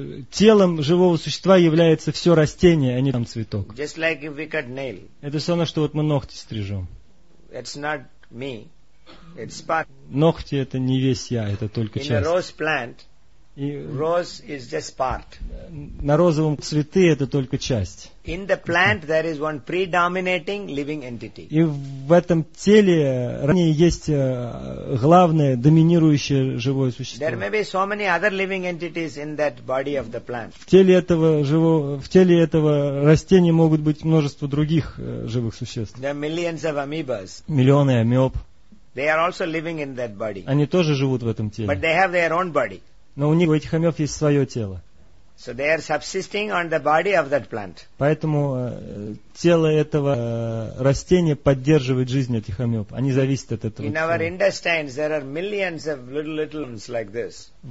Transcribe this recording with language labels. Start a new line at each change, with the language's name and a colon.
Russian: Телом живого существа является все растение, а не там цветок.
English: Just like if we cut nail.
Russian: Это все равно, что вот мы ногти стрижем.
English: It's not me. It's part.
Russian: Ногти это не весь я, это только
English: in
Russian: часть.
English: In a rose plant, rose is just part.
Russian: На розовом цветы это только часть.
English: In the plant there is one predominating living entity.
Russian: И в этом теле ранее есть главное доминирующее живое существо.
English: There may be so many other living entities in that body of the plant.
Russian: В теле этого растения могут быть множество других живых существ.
English: There are millions of amoebas.
Russian: Миллионы амеб.
English: They are also living in that body.
Russian: Они тоже живут в этом теле.
English: But they have their own body.
Russian: Но у них, у этих амеб, есть свое тело.
English: So they are subsisting on the body of that plant.
Russian: Поэтому тело этого растения поддерживает жизнь этих амеб. Они зависят от этого.
English: In our intestines there are millions of little ones like this.